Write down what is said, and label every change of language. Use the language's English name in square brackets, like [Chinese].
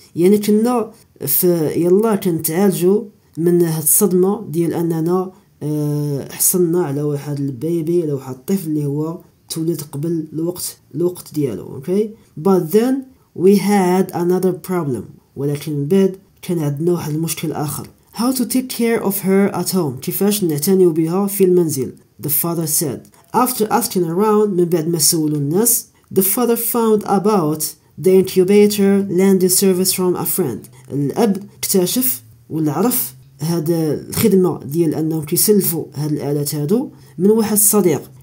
[Arabic] يعني كنا في يلا كنتعالجوا من هالصدمة ديال أننا حصلنا على واحد البيبي، على واحد الطفل اللي هو تولد قبل الوقت ديالو، okay. [English] But then we had another problem. [Arabic] ولكن بعد كان عندنا واحد المشكل آخر. [English] How to take care of her at home. [Arabic] كيفاش نعتني بها في المنزل. [English] The father said. After asking around، [Arabic] من بعد ما سولوا الناس، [English] the father found about the incubator landing service from a friend. [Arabic] الأب اكتشف ولا عرف هاد الخدمة ديال أنهم كيسلفوا هاد الآلات هادو من واحد صديق.